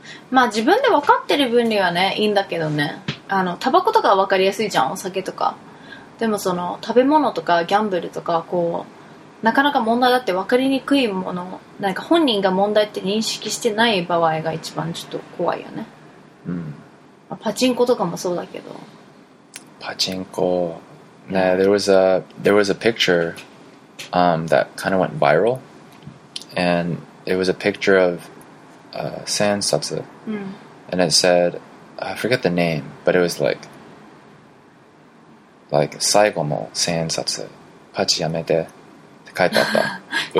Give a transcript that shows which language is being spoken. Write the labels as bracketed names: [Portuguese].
[Japanese] まあ自分で分かってる分にはね、いいんだけどね。あの、タバコとかは分かりやすいじゃん、お酒とか。でもその食べ物とかギャンブルとかこうなかなか問題だって分かりにくいもの、なんか本人が問題って認識してない場合が一番ちょっと怖いよね。うん。パチンコとかもそうだけど。パチンコ。 [English] ね、yeah, there was a picture that kind of went viral, and it was a picture of sand subsa, and it said, I forget the name, but it was like. [Japanese] Like, 最後の千円札、パチやめてって書いてあった。